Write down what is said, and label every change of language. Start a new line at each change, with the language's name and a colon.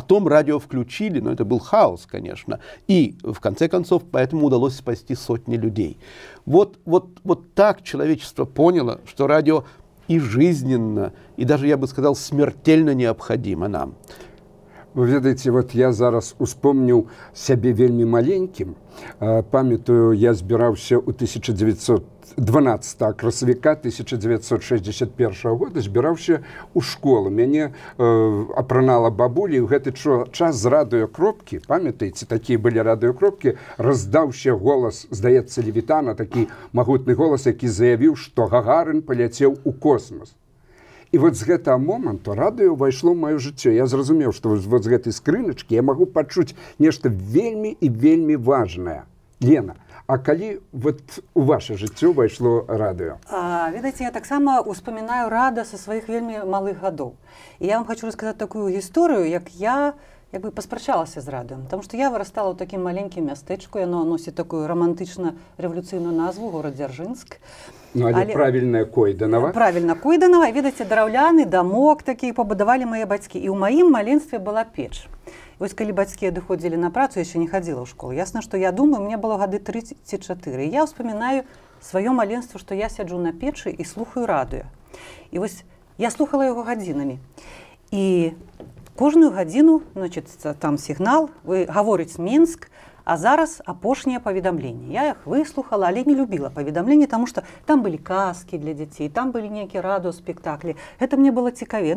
Russian: Потом радио включили, но это был хаос, конечно. И, в конце концов, поэтому удалось спасти сотни людей. Вот так человечество поняло, что радио и жизненно, и даже, я бы сказал, смертельно необходимо нам. Вы ведаете, вот я зараз вспомнил себе вельми маленьким.
Belarusian: Памятую, я сбирался у 12 красавіка 1961 года збіраўся ў школу. Мяне апранала бабуля, і ў гэты час з радыёкропкі, памятаеце, такія былі радыёкропкі, раздаўся голас, здаецца, Левітана, такі магутны голас, які заявіў, што Гагарын паляцеў у космас. І вот з гэтага моманту радыё ўвайшло ў маё жыццё. Я зразумеў, што вот з гэтай скрыначкі я магу пачуць нешта вельмі і вельмі важнае. Лена, а калі вот у ваше жыццё ўвайшло радыё? Ведаеце, я таксама ўспамінаю радыё са сваіх вельмі малых гадоў. І я вам хачу расказаць такую гісторыю, як я якбы паспрачалася з радыё, таму што я вырастала ў такім маленькім мястэчку, яно носіць такую рамантычна-рэвалюцыйную назву, горад Дзяржынск. Ну, але правільная Койданава. Правільна Койданава. Ведаеце, драўляны дамок такі пабудавалі мае бацькі, і ў маім маленстве была печ. Вось калі бацькі адыходзілі на працу, я ще не хадзіла ў школу. Ясна, што я думаю, мне было гады 3-4. Я ўспамінаю сваё маленства, што я сяджу на печы і слухаю радыё. І вось я слухала яго гадзінамі. І кожную гадзіну, значыць, там сігнал, вы гаворыць Мінск, а зараз апошнія паведамленні. Я іх выслухала, але не любіла паведамленні, таму што там былі казкі для дзяцей, там былі нейкія радыё-спектаклі. Гэта мне было цікавее.